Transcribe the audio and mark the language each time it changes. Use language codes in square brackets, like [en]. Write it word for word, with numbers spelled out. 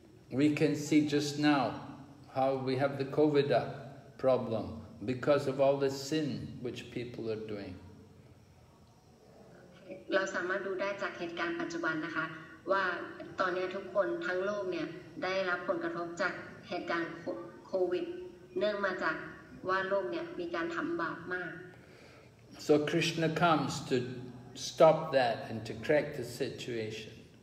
[en] We can see just now how we have the COVID up. problem because of all the sin which people are doing. [th] เราสามารถดูได้จากเหตุการณ์ปัจจุบันนะคะว่าตอนนี้ทุกคนทั้งโลกเนี่ยได้รับผลกระทบจากเหตุการณ์โควิดเนื่องมาจากว่าโลกเนี่ยมีการทำบาปมาก [en] So Krishna comes to stop that and to correct the situation.